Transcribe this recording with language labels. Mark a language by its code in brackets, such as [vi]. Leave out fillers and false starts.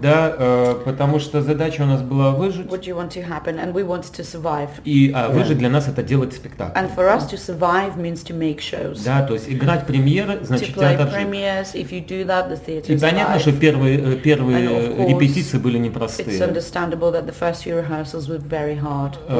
[ru] Да, потому что задача у нас была выжить. [en] What you want to happen, and we wanted to survive. [ru] И выжить для нас это делать спектакль. [en] And for us to survive means to make shows. [ru] Да, то есть играть премьеры, значит театр жив. [en] Yes, if you do that, the theater's [ru] и понятно, [en] alive. [ru] Что первые репетиции были непростые. [en] It's understandable that the first few rehearsals were very hard.